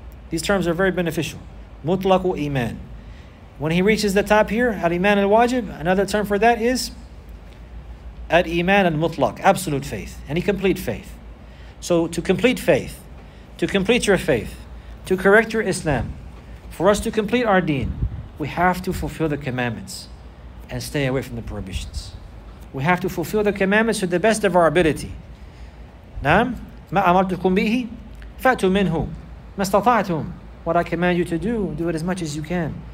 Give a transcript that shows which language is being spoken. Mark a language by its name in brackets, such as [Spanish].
[English] These terms are very beneficial. Mutlaqul iman. When he reaches the top here, al-iman al-wajib, another term for that is al-iman al-mutlaq, absolute faith, any complete faith. So to complete faith, to complete your faith, to correct your Islam, for us to complete our deen, we have to fulfill the commandments and stay away from the prohibitions. We have to fulfill the commandments to the best of our ability. [Arabic] نعم ما أمرتكم به فأتوا منه ما استطعتم. [English] What I command you to do, do it as much as you can.